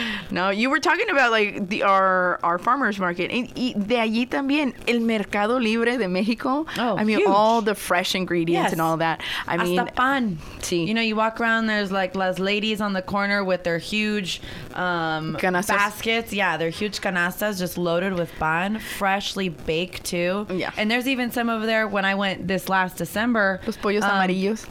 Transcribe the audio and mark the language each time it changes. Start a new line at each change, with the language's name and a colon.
English: No, you were talking about, like, our farmer's market.
Spanish: Y de allí también, el Mercado Libre de México.
English: Oh, I mean, huge. All the fresh ingredients and all that. I mean,
Spanish: hasta pan. Sí.
English: You know, you walk around, there's, like, las ladies on the corner with their huge baskets. Yeah, their huge canastas just loaded with pan, freshly baked. Too. Yeah. And there's even some over there when I went this last December.
Spanish: Los pollos amarillos.